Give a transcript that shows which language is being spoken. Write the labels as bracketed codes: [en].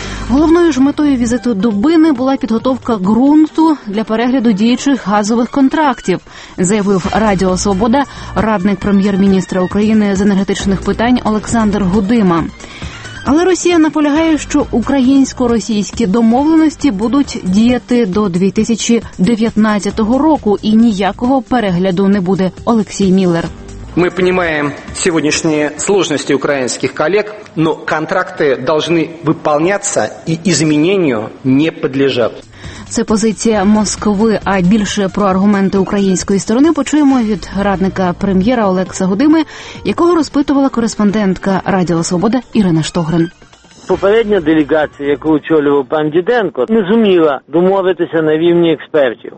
[uk] Головною ж метою візиту Дубини була підготовка ґрунту для перегляду діючих газових контрактів, заявив Радіо Свобода радник прем'єр-міністра України з енергетичних питань Олександр Гудима. Але Росія наполягає, що українсько-російські домовленості будуть діяти до 2019 року і ніякого перегляду не буде. Олексій Міллер. [ru] Мы понимаем сегодняшние сложности украинских коллег, но контракты должны выполняться и изменению не подлежат. [uk] Це позиція Москви, а більше про аргументи української сторони почуємо від радника прем'єра Олекса Гудими, якого розпитувала кореспондентка Радіо Свобода Ірина Штогрин. Попередня делегація, яку очолював пан Діденко, не зуміла домовитися на рівні експертів.